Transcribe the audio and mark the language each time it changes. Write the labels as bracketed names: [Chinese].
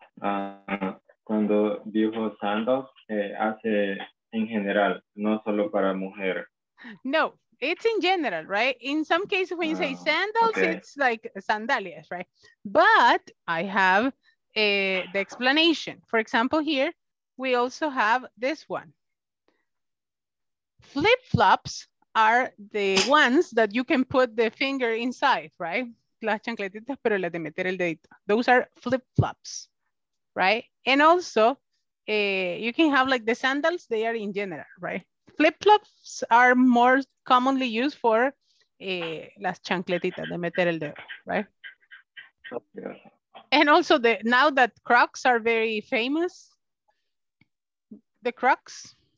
[Spanish] Cuando dijo sandals, hace en general, no solo para mujer. [English] No, it's in general, right? In some cases, when you say sandals, okay. It's like sandalias, right? But I have the explanation. For example, here, we also have this one. Flip-flops are the ones that you can put the finger inside, right? [Spanish] Las chancletitas, pero las de meter el dedito. [English] Those are flip-flops, right? And also, you can have like the sandals, they are in general, right? Flip-flops are more commonly used for [Spanish] las chancletitas, de meter el dedo, [English] right? And also, now that Crocs are very famous, the Crocs.